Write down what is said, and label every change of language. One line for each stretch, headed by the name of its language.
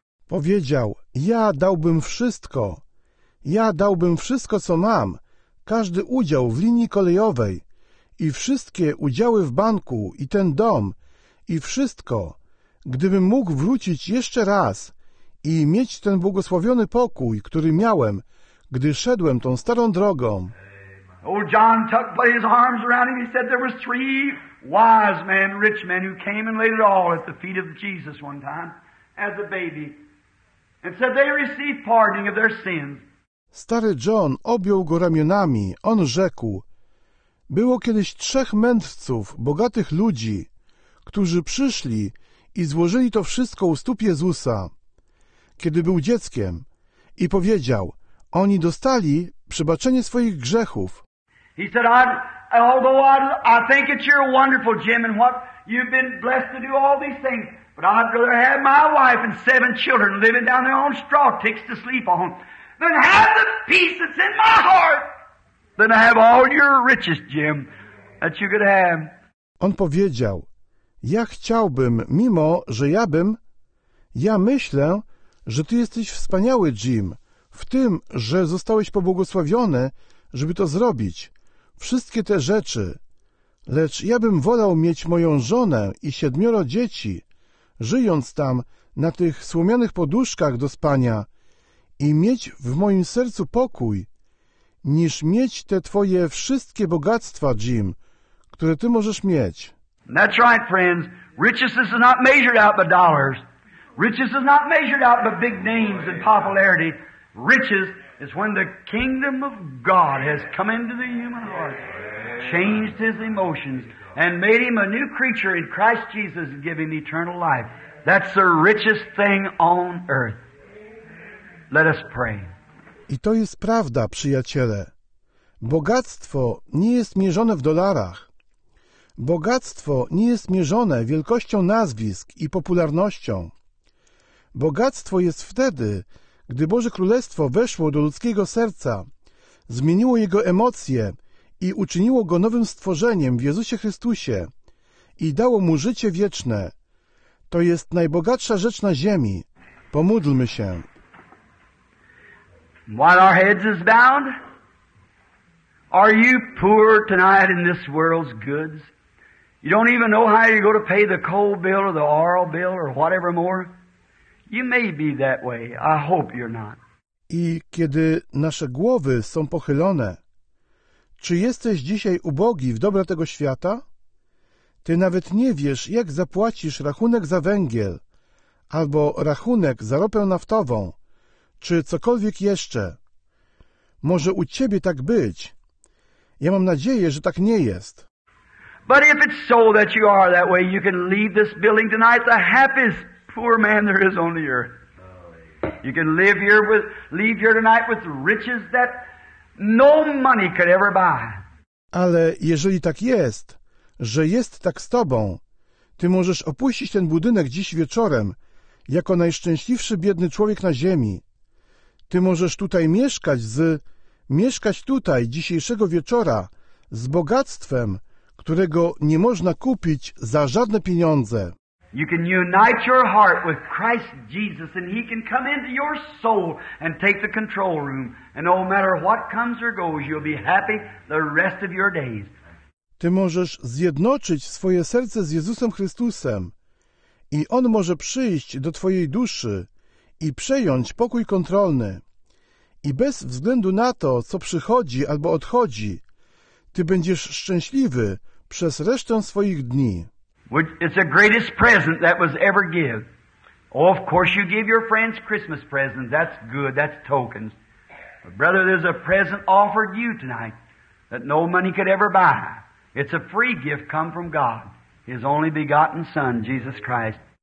Polish: Powiedział, ja dałbym wszystko. Ja dałbym wszystko, co mam. Każdy udział w linii kolejowej i wszystkie udziały w banku i ten dom i wszystko, gdybym mógł wrócić jeszcze raz i mieć ten błogosławiony pokój, który miałem, gdy szedłem tą starą drogą.
English: Old John tucked by his arms around him. He said there was three wise men, rich men, who came and laid it all at the feet of Jesus one time as a baby. And said they received pardoning of their sins.
Polish: Stary John objął go ramionami. On rzekł, było kiedyś trzech mędrców, bogatych ludzi, którzy przyszli i złożyli to wszystko u stóp Jezusa, kiedy był dzieckiem, i powiedział, oni dostali przebaczenie swoich grzechów.
English: He said, although I think it's your wonderful, Jim, and what you've been blessed to do all these things, but I'd rather have my wife and seven children living down there on straw ticks to sleep on than have the peace that's in my heart than have all your riches, Jim, that you could have.
Polish: On powiedział, ja chciałbym, mimo że ja myślę, że ty jesteś wspaniały, Jim, w tym, że zostałeś pobłogosławiony, żeby to zrobić, wszystkie te rzeczy, lecz ja bym wolał mieć moją żonę i siedmioro dzieci, żyjąc tam na tych słomianych poduszkach do spania i mieć w moim sercu pokój, niż mieć te twoje wszystkie bogactwa, Jim, które ty możesz mieć.
English: That's right, friends. Riches is not measured out by dollars. Riches is not measured out by big names and popularity. Riches is when the kingdom of God has come into the human heart, changed his emotions, and made him a new creature in Christ Jesus and give him eternal life. That's the richest thing on earth. Let us pray.
Polish: I to jest prawda, przyjaciele. Bogactwo nie jest mierzone w dolarach. Bogactwo nie jest mierzone wielkością nazwisk i popularnością. Bogactwo jest wtedy, gdy Boże Królestwo weszło do ludzkiego serca, zmieniło jego emocje i uczyniło go nowym stworzeniem w Jezusie Chrystusie i dało mu życie wieczne. To jest najbogatsza rzecz na ziemi. Pomódlmy się.
English: While our heads is bound, are you poor tonight in this world's goods? You don't even know how you're going to pay the coal bill or the oil bill or whatever more? You may be that way. I hope you're not.
Polish: I kiedy nasze głowy są pochylone, czy jesteś dzisiaj ubogi w dobra tego świata? Ty nawet nie wiesz, jak zapłacisz rachunek za węgiel albo rachunek za ropę naftową, czy cokolwiek jeszcze. Może u ciebie tak być. Ja mam nadzieję, że tak nie jest.
English: But if it's so that you are that way, you can leave this building tonight the happiest poor man there is on the earth. You can leave here tonight with riches that no money could ever buy.
Polish: Ale jeżeli tak jest, że jest tak z tobą, ty możesz opuścić ten budynek dziś wieczorem jako najszczęśliwszy biedny człowiek na ziemi. Ty możesz tutaj mieszkać tutaj dzisiejszego wieczora z bogactwem, którego nie można kupić za żadne pieniądze.
English: You can unite your heart with Christ Jesus and he can come into your soul and take the control room and no matter what comes or goes, you'll be happy the rest of your days.
Polish: Ty możesz zjednoczyć swoje serce z Jezusem Chrystusem i on może przyjść do twojej duszy i przejąć pokój kontrolny. I bez względu na to, co przychodzi albo odchodzi, ty będziesz szczęśliwy przez resztę swoich dni.
English: It's the greatest present that was ever given. Oh, of course you give your friends Christmas presents. That's good. That's tokens. But brother, there's a present offered you tonight that no money could ever buy. It's a free gift come from God, his only begotten Son, Jesus Christ.